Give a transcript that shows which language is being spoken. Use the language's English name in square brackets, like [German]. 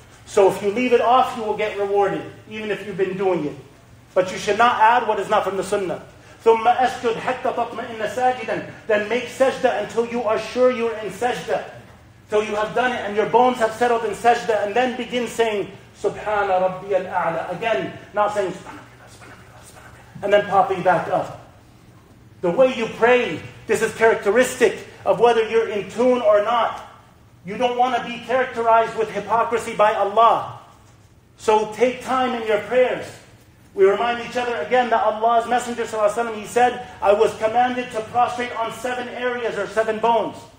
[English] So if you leave it off, you will get rewarded, even if you've been doing it. But you should not add what is not from the sunnah. [Arabic] ثُمَّ أَسْجُدْ حَتَّى تَطْمَئِنَّ سَاجِدًا. [English] Then make sajda until you are sure you are in sajda. Till you have done it and your bones have settled in sajda. And then begin saying, [Arabic] سُبْحَانَ رَبِّيَ الْأَعْلَى. [English] Again, not saying, [Arabic] سُبْحَانَ رَبِّيَ الْأَعْلَى, سُبْحَانَ رَبِّيَ الْأَعْلَى, سُبْحَانَ رَبِّيَ الْأَعْلَى. [English] And then popping back up. The way you pray, this is characteristic of whether you're in tune or not. You don't want to be characterized with hypocrisy by Allah. So take time in your prayers. We remind each other again that Allah's Messenger sallallahu alaihi wasallam, he said, I was commanded to prostrate on seven areas or seven bones.